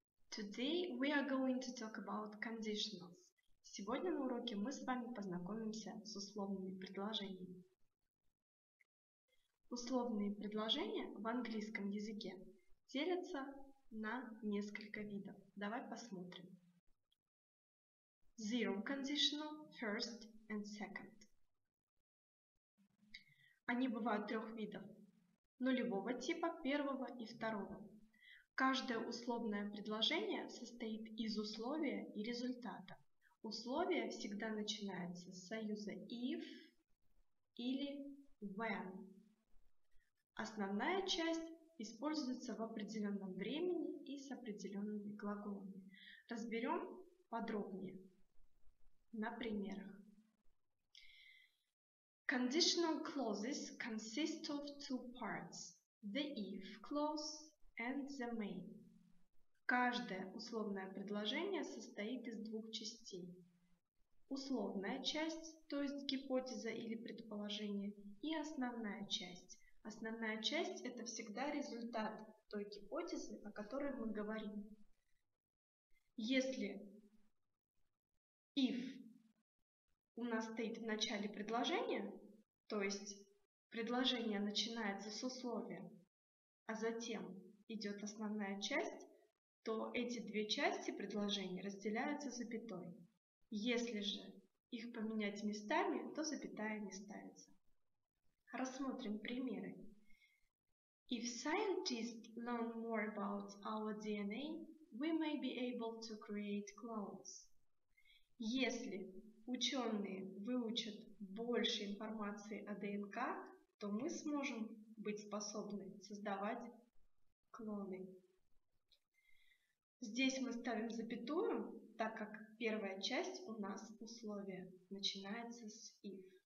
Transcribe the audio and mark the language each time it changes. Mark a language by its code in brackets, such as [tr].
[en] Today we are going to talk about conditionals. [ru] Сегодня на уроке мы с вами познакомимся с условными предложениями. Условные предложения в английском языке делятся на несколько видов. Давай посмотрим. [en] Zero conditional, first and second. [ru] Они бывают трех видов – нулевого типа, первого и второго. Каждое условное предложение состоит из условия и результата. Условие всегда начинается с союза if или when. Основная часть используется в определенном времени и с определенными глаголами. Разберем подробнее на примерах. [en] Conditional clauses consist of two parts, the if clause and the may. [ru] Каждое условное предложение состоит из двух частей. Условная часть, то есть гипотеза или предположение, и основная часть. Основная часть – это всегда результат той гипотезы, о которой мы говорим. Если if у нас стоит в начале предложения, то есть предложение начинается с условия, а затем идет основная часть, то эти две части предложения разделяются запятой. Если же их поменять местами, то запятая не ставится. Рассмотрим примеры. [en] If scientists learn more about our DNA, we may be able to create clones. [ru] Если ученые выучат больше информации о ДНК, то мы сможем быть способны создавать клоны. Здесь мы ставим запятую, так как первая часть у нас условие начинается с if.